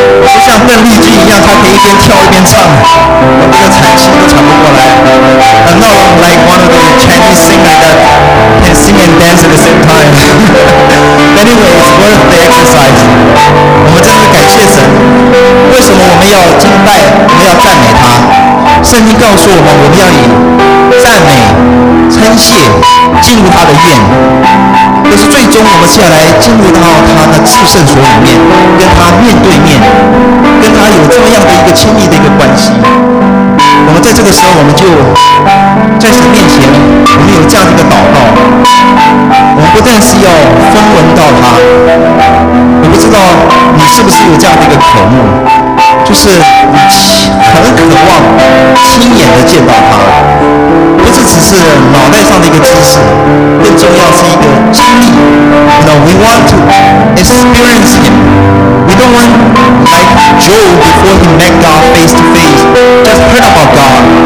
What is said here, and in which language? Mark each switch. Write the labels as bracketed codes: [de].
[zh] 就像邓丽君一样，她可以一边跳一边唱。我这个喘气都喘不过来。 [en] I'm not like one of the Chinese singers like that can sing and dance at the same time. Anyway, it's worth the exercise. [zh] 我们真的感谢神。为什么我们要敬拜？我们要赞美他？圣经告诉我们，我们要以赞美、称谢进入他的院，可是最终我们是要来进入到他的至圣所里面，跟他面对面，跟他有这么样的一个亲密的一个关系。我们在这个时候，我们就在神面前，我们有这样的一个祷告。我们不但是要分闻到他，我不知道你是不是有这样的一个渴慕，就是很渴望亲眼的见到他。不是只是脑袋上的一个知识，更重要是一个经历。 [en] You know, we want to experience him. We don't want like Joel before he met God face to face, just heard about God.